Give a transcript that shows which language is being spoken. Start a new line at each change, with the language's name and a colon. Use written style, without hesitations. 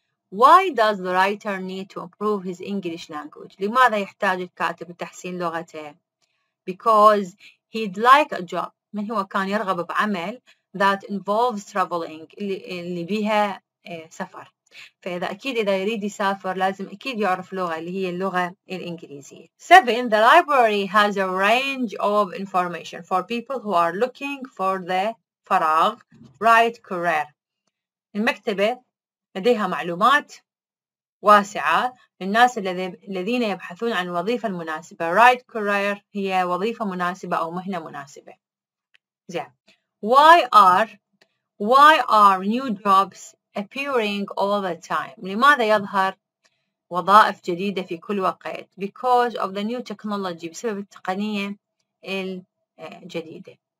English: Why does the writer need to improve his English language,
Arabic: لماذا يحتاج الكاتب لتحسين لغته,
English: because he'd like a job,
Arabic: من هو كان يرغب بعمل,
English: that involves traveling,
Arabic: اللي بها سفر. فإذا أكيد إذا يريد يسافر لازم أكيد يعرف لغة اللي هي اللغة الإنجليزية. 7.
English: The library has a range of information for people who are looking for the فراغ, right career.
Arabic: المكتبة لديها معلومات واسعة للناس الذين يبحثون عن الوظيفة المناسبة,
English: right career
Arabic: هي وظيفة مناسبة أو مهنة مناسبة.
English: زين, why are new jobs appearing all the time,
Arabic: لماذا يظهر وظائف جديدة في كل وقت,
English: because of the new technology,
Arabic: بسبب التقنية الجديدة.